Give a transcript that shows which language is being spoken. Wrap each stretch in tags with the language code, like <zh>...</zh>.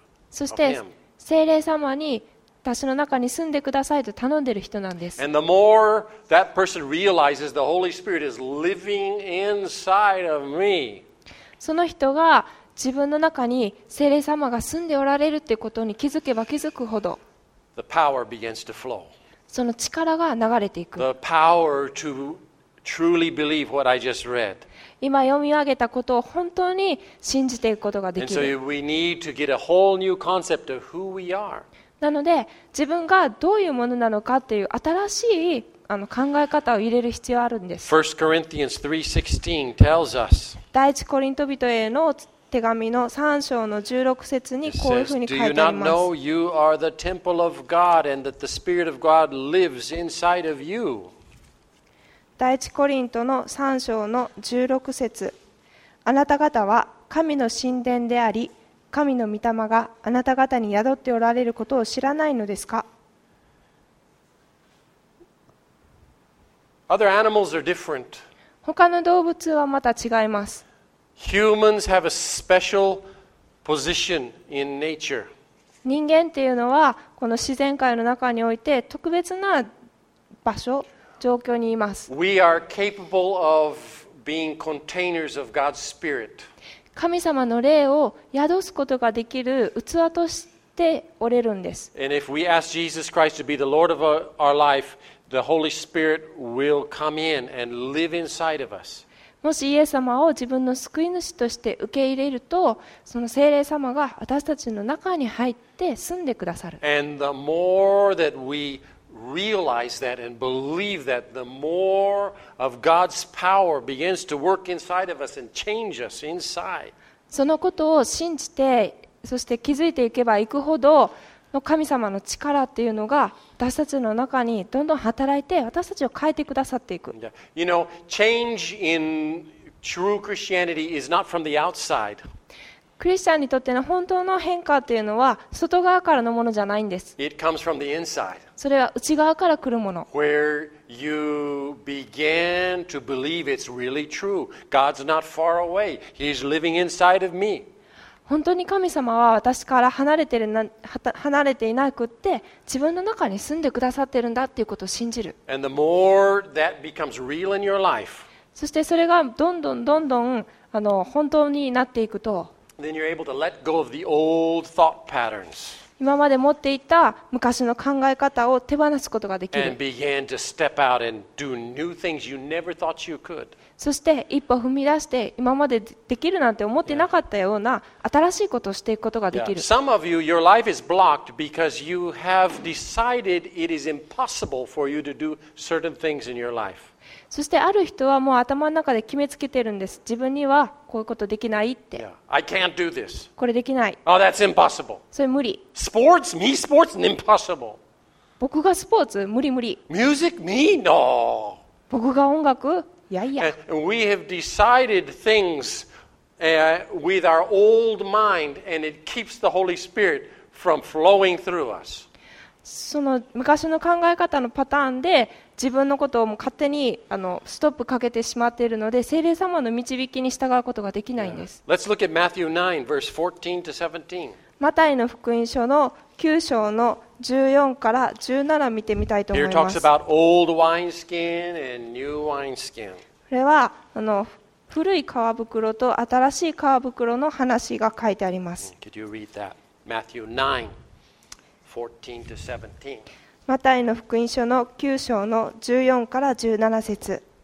<ja>そして聖霊様に私の中に住んでくださいと頼んでいる人なんです。</ja> <en>And the more that person realizes the Holy Spirit is living inside of me.</en> <ja>その人が自分の中に聖霊様が住んでおられるということに気づけば気づくほど、</ja> <en>the power begins to flow.</en> <ja>その力が流れていく。</ja> <en>The power to truly believe what I just read.</en> <ja>今読み上げたことを本当に信じていくことができる。</ja> <en>And so we need to get a whole new concept of who we are.</en> <ja>なので自分がどういうものなのかという新しい考え方を入れる必要があるんです。</ja> <en>1 Corinthians 3:16 tells us</en> <ja>第一コリント人への手紙の3章の16節にこういうふうに書いてあります。</ja> <en>Do you not know you are the temple of God and that the Spirit of God lives inside of you?</en> <ja>第一コリントの3章の16節、あなた方は神の神殿であり神の御霊があなた方に宿っておられることを知らないのですか。</ja> <en>Other animals are different.</en> <ja>他の動物はまた違います。</ja> <en>Humans have a special position in nature.</en> <ja>人間っていうのはこの自然界の中において特別な場所、状況にいます。</ja> <en>We are capable of being containers of God's Spirit.</en> <ja>神様の霊を宿すことができる器としておれるんです。</ja> <en>And if we ask Jesus Christ to be the Lord of our life, the Holy Spirit will come in and live inside of us.</en> <ja>もしイエス様を自分の救い主として受け入れると、その聖霊様が私たちの中に入って住んでくださる。</ja> <en>And the more that we realize that and believe that, the more of God's power begins to work inside of us and change us inside.</en> <ja>そのことを信じて、そして気づいていけばいくほどの神様の力っていうのが私たちの中にどんどん働いて私たちを変えてくださっていく。</ja> <en>You know, change in true Christianity is not from the outside.</en> <ja>クリスチャンにとっての本当の変化というのは外側からのものじゃないんです。</ja> <en>It comes from the inside.</en> <ja>それは内側から来るもの。</ja> <en>Where you begin to believe it's really true. God's not far away. He's living inside of me.</en> <ja>本当に神様は私から離れていなくって自分の中に住んでくださっているんだということを信じる。</ja> <en>And the more that becomes real in your life.</en> <ja>そしてそれがどんどんどんどん本当になっていくと、</ja> <en>Then you're able to let go of the old thought patterns.</en> <ja>今まで持っていた昔の考え方を手放すことができる。</ja> <en>And begin to step out and do new things you never thought you could.</en> <ja>そして一歩踏み出して今までできるなんて思ってなかったような新しいことをしていくことができる。</ja> <en>Some of you, your life is blocked because you have decided it is impossible for you to do certain things in your life.</en> <ja>そしてある人はもう頭の中で決めつけてるんです。自分にはこういうことできないって。</ja> <en>Yeah. I can't do this.</en> <ja>これできない。</ja> <en>Oh, that's impossible.</en> <ja>それ無理。</ja> <en>Sports? Me? Sports? Impossible.</en> <ja>僕がスポーツ？無理無理。</ja> <en>Music? Me? No.</en> <ja>僕が音楽？いやいや。</ja> <en>And we have decided things with our old mind and it keeps the Holy Spirit from flowing through us.</en> <ja>その昔の考え方のパターンで自分のことをもう勝手にストップかけてしまっているので聖霊様の導きに従うことができないんです。</ja> <en>Let's look at Matthew 9, verse 14 to 17.</en> <ja>マタイの福音書の9章の14から17見てみたいと思います。</ja> <en>Here talks about old wineskin and new wineskin.</en> <ja>これは古い皮袋と新しい皮袋の話が書いてあります。</ja> <en>Could you read that? Matthew 9. 14 to 17.</en> <ja>マタイの福音書の9章の14から17節。</ja>